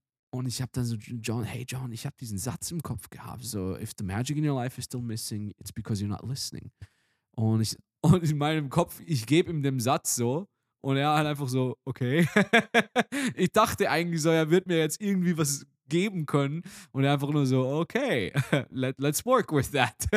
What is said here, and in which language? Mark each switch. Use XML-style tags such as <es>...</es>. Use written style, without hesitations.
<de>Und ich hab dann so, John, hey John, ich hab diesen Satz im Kopf gehabt.</de> <en>So, if the magic in your life is still missing, it's because you're not listening.</en> <de>Und in meinem Kopf, ich gebe ihm den Satz so. Und er hat einfach so, okay. Ich dachte eigentlich so, er wird mir jetzt irgendwie was geben können. Und er einfach nur so, okay,</de> <en>let's work with that.</en>